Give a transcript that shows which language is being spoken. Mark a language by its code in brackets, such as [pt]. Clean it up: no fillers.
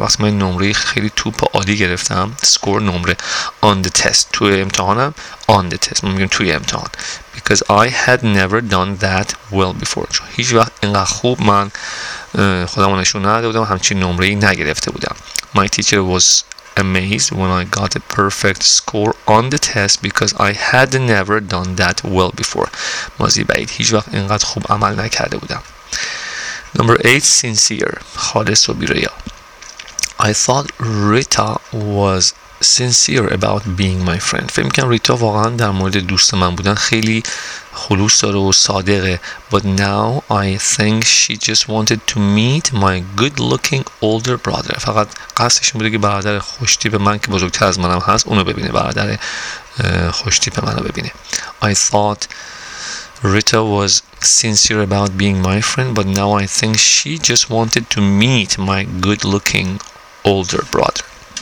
[fa] وقتی من نمره خیلی توپ عالی گرفتم. Score نمره. [en] On the test. [fa] توی امتحانم. On the test. من میگم توی امتحان. [en] Because I had never done that well before. [fa] چون هیچ وقت اینقدر خوب من خودم نشون نداده بودم. همچین نمره نگرفته بودم. [en] My teacher was amazed when I got a perfect score on the test because I had never done that well before. [fa] ماضی بعید. هیچ وقت اینقدر خوب عمل نکرده بودم. [en] Number 8. Sincere. [fa] خالص و بی‌ریا. [en] I thought Rita was sincere about being my friend. [fa] فکر می‌کنم ریتا واقعا در مورد دوست من بودن خیلی خلوص داره و صادقه. [en] But now I think she just wanted to meet my good looking older brother. [fa] فقط قصدش بوده که برادر خوشتیپ من که بزرگتر از منم هست اونو ببینه. برادر خوشتیپ منو ببینه. [en] I thought Rita was sincere about being my friend, but now I think she just wanted to meet my good looking older brother.